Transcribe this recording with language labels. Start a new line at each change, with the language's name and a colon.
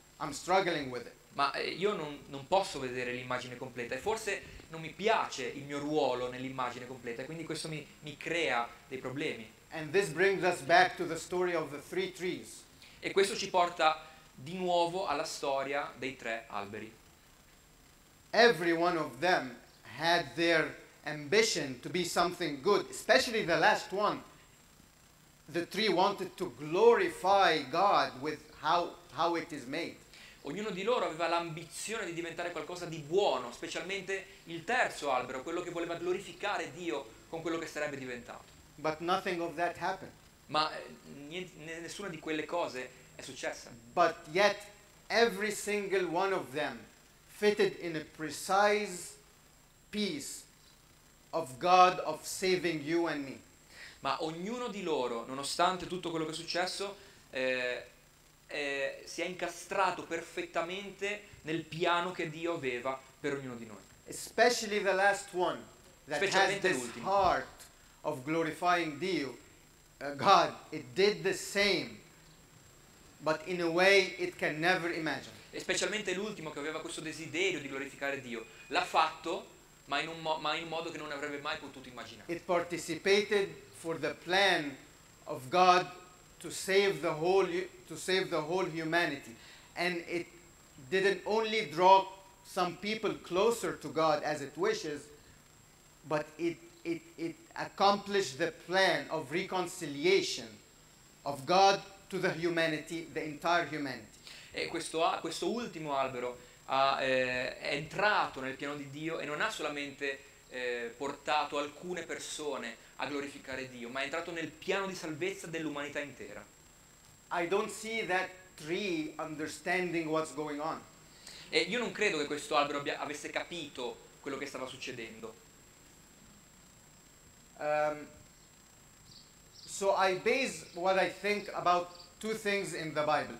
English: I'm struggling with it.
Italian: Ma io non posso vedere l'immagine completa e forse non mi piace il mio ruolo nell'immagine completa, quindi questo mi crea dei problemi.
English: And this brings us back to the story of the three trees.
Italian: E questo ci porta di nuovo alla storia dei tre alberi.
English: Every one of them had their ambition to be something good, especially the last one. The tree wanted to glorify God with how it is made.
Italian: Ognuno di loro aveva l'ambizione di diventare qualcosa di buono, specialmente il terzo albero, quello che voleva glorificare Dio con quello che sarebbe diventato.
English: But nothing of that happened.
Italian: Ma nessuna di quelle cose è successa.
English: But yet every single one of them fitted in a precise piece of God of saving you and me.
Italian: Ma ognuno di loro, nonostante tutto quello che è successo, si è incastrato perfettamente nel piano che Dio aveva per ognuno di noi.
English: Especially the last one that has this heart of glorifying Dio, God, it did the same, but in a way it can never imagine.
Italian: E specialmente l'ultimo che aveva questo desiderio di glorificare Dio, l'ha fatto, ma in un modo che non avrebbe mai potuto immaginare.
English: It participated for the plan of God to save the whole humanity, and it didn't only draw some people closer to God as it wishes, but it accomplished the plan of reconciliation of God to the humanity, the entire humanity.
Italian: E questo ultimo albero è entrato nel piano di Dio e non ha solamente portato alcune persone a glorificare Dio, ma è entrato nel piano di salvezza dell'umanità intera.
English: I don't see that tree understanding what's going on.
Italian: E io non credo che questo albero avesse capito quello che stava succedendo.
English: So I base what I think about two things in the Bible.